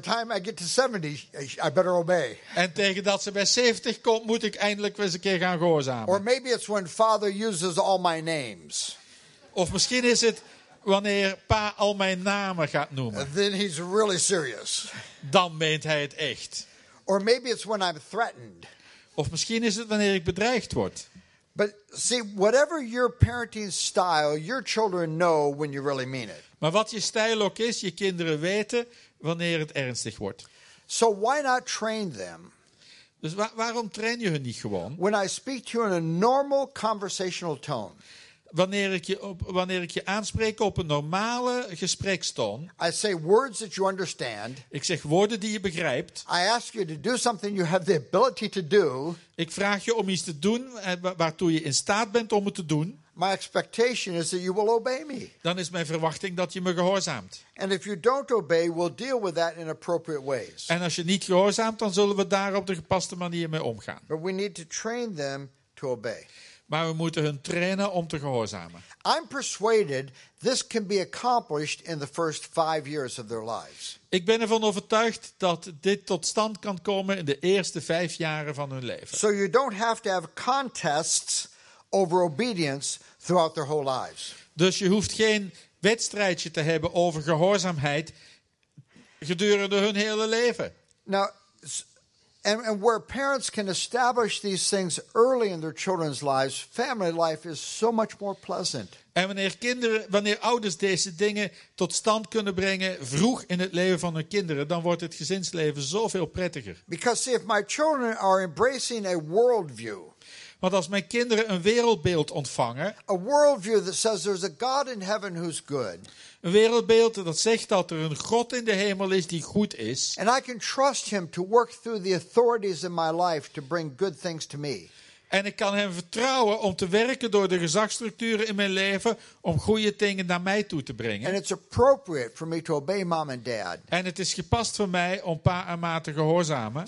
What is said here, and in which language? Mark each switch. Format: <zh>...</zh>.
<en>67, 68, 69. By the time I get to 70, I better obey.</en> <nl>En tegen dat ze bij 70 komt, moet ik eindelijk weer eens een keer gaan gehoorzamen.</nl> <en>Or maybe it's when father uses all my names.</en> <nl>Of misschien is het wanneer pa al mijn namen gaat noemen.</nl> <en>Then he's really serious.</en> <nl>Dan meent hij het echt.</nl> <en>Or maybe it's when I'm threatened.</en> <nl>Of misschien is het wanneer ik bedreigd word.</nl> <en>But see, whatever your parenting style, your children know when you really mean it.</en> <nl>Maar wat je stijl ook is, je kinderen weten wanneer het ernstig wordt.</nl> <en>So why not train them?</en> <nl>Dus waarom train je hen niet gewoon?</nl> <en>When I speak to you in a normal conversational tone.</en> <nl>Wanneer ik je aanspreek op een normale gesprekstoon.</nl> <en>I say words that you understand.</en> <nl>Ik zeg woorden die je begrijpt.</nl> <en>I ask you to do something you have the ability to do.</en> <nl>Ik vraag je om iets te doen waartoe je in staat bent om het te doen.</nl> <en>My expectation is that you will obey me.</en> <nl>Dan is mijn verwachting dat je me gehoorzaamt.</nl> <en>And if you don't obey, we'll deal with that in appropriate ways.</en> <nl>En als je niet gehoorzaamt, dan zullen we daar op de gepaste manier mee omgaan.</nl> <en>But we need to train them to obey.</en> <nl>Maar we moeten hun trainen om te gehoorzamen.</nl> <en>I'm persuaded this can be accomplished in the first 5 years of their lives.</en> <nl>Ik ben ervan overtuigd dat dit tot stand kan komen in de eerste 5 jaren van hun leven.</nl> <en>So you don't have to have contests over obedience throughout their whole lives.</en> <nl>Dus je hoeft geen wedstrijdje te hebben over gehoorzaamheid gedurende hun hele leven.</nl> <en>Now, and where parents can establish these things early in their children's lives, family life is so much more pleasant.</en> <nl>En wanneer ouders deze dingen tot stand kunnen brengen vroeg in het leven van hun kinderen, dan wordt het gezinsleven zoveel prettiger.</nl> <en>Because see, if my children are embracing a worldview.</en> <nl>Want als mijn kinderen een wereldbeeld ontvangen.</nl> <en>A worldview that says there's a God in heaven who's good.</en> <nl>Een wereldbeeld dat zegt dat er een God in de hemel is die goed is.</nl> <en>And I can trust him to work through the authorities in my life to bring good things to me.</en> <nl>En ik kan hem vertrouwen om te werken door de gezagsstructuren in mijn leven om goede dingen naar mij toe te brengen.</nl> <en>And it's appropriate for me to obey mom and dad.</en> <nl>En het is gepast voor mij om pa en ma te gehoorzamen.</nl>